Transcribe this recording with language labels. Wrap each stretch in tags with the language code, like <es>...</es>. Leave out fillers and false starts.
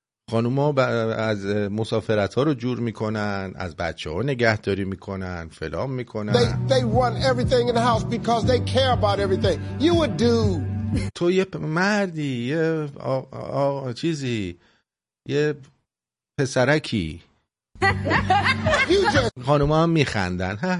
<fa>خانوما از مسافرت ها رو جور میکنن، از بچه ها نگهداری میکنن، فلان میکنن.</fa> <en>They run everything in the house because they care about everything. You a dude.</en> <fa>تو یه مردی، یه چیزی، یه پسرکی. خانوما هم میخندن.</fa>